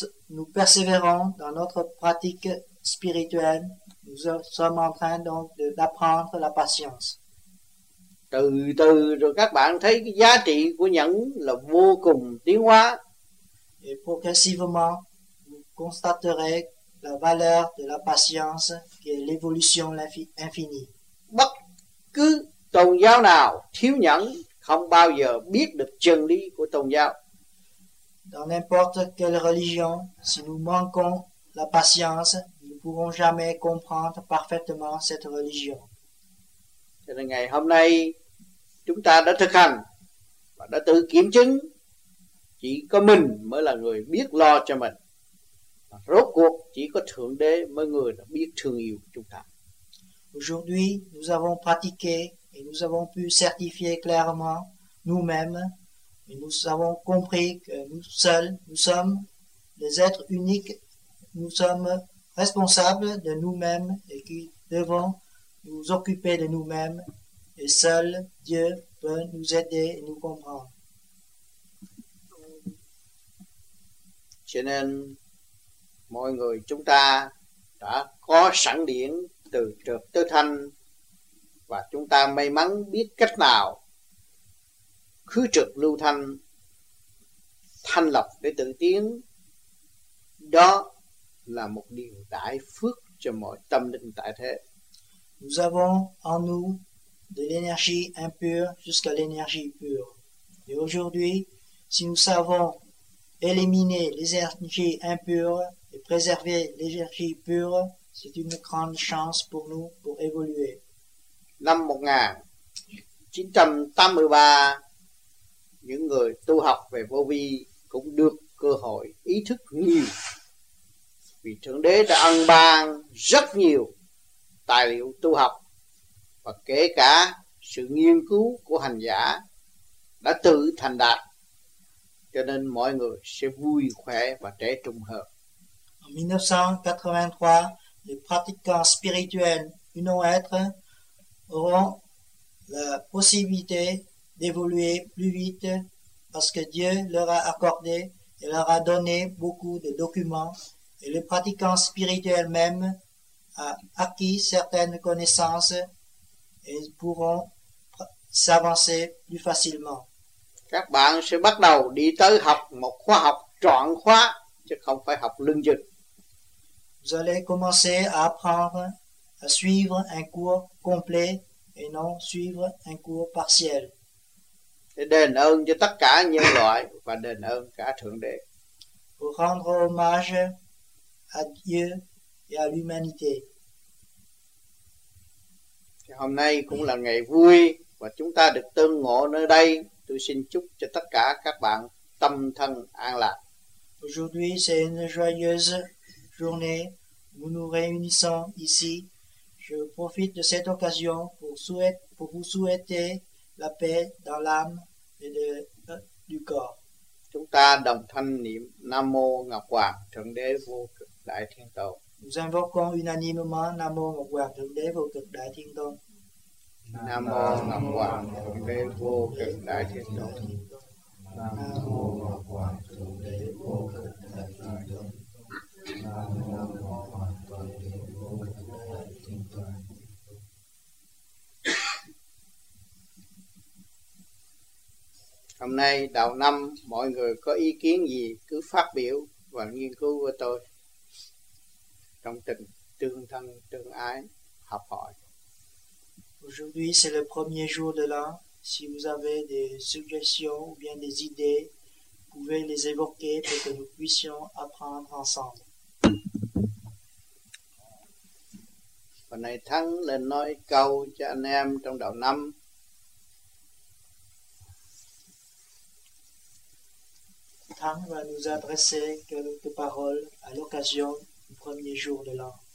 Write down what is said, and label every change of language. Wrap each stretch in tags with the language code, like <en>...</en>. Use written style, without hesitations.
<fr>Nous persévérons dans notre pratique spirituelle. Nous sommes en train donc d'apprendre la patience.</fr> <vi>Từ từ rồi các bạn thấy cái giá trị của nhẫn là vô cùng tiến hóa.</vi> <fr>Et progressivement, vous constaterez la valeur de la patience qui est l'évolution infinie.</fr> <vi>Bất cứ tôn giáo nào thiếu nhẫn không bao giờ biết được chân lý của tôn giáo.</vi> <fr>Dans n'importe quelle religion, si nous manquons la patience, nous ne pourrons jamais comprendre parfaitement cette religion.</fr> <vi>Cho nên ngày hôm nay, chúng ta đã thực hành và đã tự kiểm chứng, chỉ có mình mới là người biết lo cho mình. Rốt cuộc, chỉ có Thượng Đế mới người là biết thương yêu chúng ta.</vi> <fr>Aujourd'hui, nous avons pratiqué et nous avons pu certifier clairement nous-mêmes. Et nous avons compris que nous seuls, nous sommes les êtres uniques, nous sommes responsables de nous-mêmes et qui devons nous occuper de nous-mêmes. Et seul Dieu peut nous aider et nous comprendre.</fr> <vi>Cho nên, mọi người chúng ta đã có sẵn điển từ trượt tới thanh và chúng ta may mắn biết cách nào khứ trực lưu thanh, thanh lập để tự tiến, đó là một điều đại phước cho mọi tâm linh tại thế.</vi> <fr>Nous avons en nous de l'énergie impure jusqu'à l'énergie pure. Et aujourd'hui, si nous savons éliminer les énergies impures et préserver l'énergie pure, c'est une grande chance pour nous pour évoluer.</fr> <vi>Năm 1983, những người tu học về vô vi cũng được cơ hội ý thức nhiều, vì Thượng Đế đã ân ban rất nhiều tài liệu tu học và kể cả sự nghiên cứu của hành giả đã tự thành đạt, cho nên mọi người sẽ vui khỏe và trẻ trung hơn.</vi> <fr>En 1983, les pratiquants spirituels du non-être auront la possibilité d'évoluer plus vite parce que Dieu leur a accordé et leur a donné beaucoup de documents et le pratiquant spirituel même a acquis certaines connaissances et pourront s'avancer plus facilement.</fr> <vi>Các bạn sẽ bắt đầu đi tới học một khóa học trọn khóa chứ không phải học lưng dựng.</vi> <fr>Vous allez commencer à apprendre à suivre un cours complet et non suivre un cours partiel.</fr> <vi>Để đền ơn cho tất cả nhân loại và đền ơn cả Thượng Đế.</vi> <fr>Pour rendre hommage à Dieu et à l'humanité.</fr> <vi>Thì hôm nay cũng là ngày vui và chúng ta được tương ngộ nơi đây. Tôi xin chúc cho tất cả các bạn tâm thân an lạc.</vi> <fr>Aujourd'hui c'est une joyeuse journée. Nous nous réunissons ici. Je profite de cette occasion pour vous souhaiter la paix dans l'âme et du corps.</fr> <vi>Chúng ta đồng thanh niệm Nam Mô Ngọc Hoàng Thượng Đế Vô Cực. Đại Thiên Tôn.</vi> <fr>Nous invoquons unanimement Namo Vajradeva vô cực Đại Thiên Tôn.</fr> <vi>Namo Vajradeva vô cực Đại Thiên Tôn. Namo Vajradeva vô cực Đại Thiên Tôn. Hôm nay đầu năm mọi người có ý kiến gì cứ phát biểu và nghiên cứu với tôi trong tình tương thân tương ái học hỏi.</vi> <fr>Aujourd'hui c'est le premier jour de l'an. Si vous avez des suggestions ou bien des idées, vous pouvez les évoquer pour que nous puissions apprendre ensemble.</fr> <vi>Hôm nay Thắng lên nói câu cho anh em trong đầu năm.</vi> <fr>Thắng va nous adresser quelques paroles à l'occasion du premier jour de l'an.</fr>